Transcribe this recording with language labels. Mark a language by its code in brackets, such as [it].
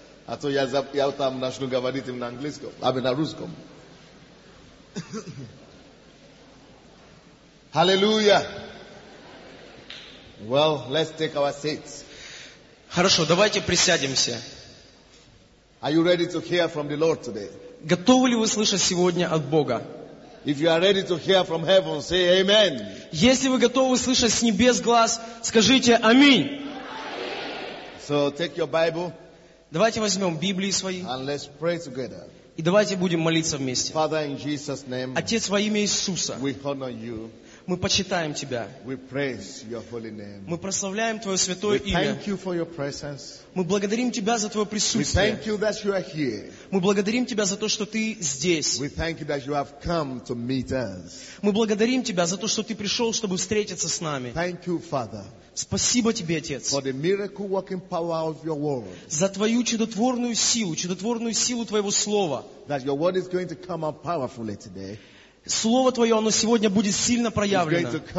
[ru] А то я там начну говорить им на английском, а не на русском. [en] Hallelujah. Well, let's take our seats. [ru] Хорошо, давайте присядемся. [en] Are you ready to hear from the Lord today? [ru] Готовы ли вы слышать сегодня от Бога? [en] If you are ready to hear from heaven, say amen. [ru] Если вы готовы слышать с небес глас, скажите аминь. [en] So take your Bible. [ru] Давайте возьмем Библии свои. [en] And let's pray together. [ru] И давайте будем молиться вместе. [en] Father, in Jesus' name, [ru] Отец, во имя Иисуса, [en] we honor you. [ru] Мы почитаем Тебя. [en] We praise your holy name. [ru] Мы прославляем Твое святое имя. [en] We thank you for your presence. [ru] Мы благодарим Тебя за Твое присутствие. [en] We thank you that you are here. [ru] Мы благодарим Тебя за то, что Ты здесь. [en] We thank you that you have come to meet us. [ru] Мы благодарим Тебя за то, что Ты пришел, чтобы встретиться с нами. [en] Thank you, Father. [ru] Спасибо Тебе, Отец, [en] for the miracle working power of your word. [ru] За Твою чудотворную силу Твоего Слова. [en] That your word is going to come out powerfully today. [ru] Слово Твое, оно сегодня будет сильно проявлено.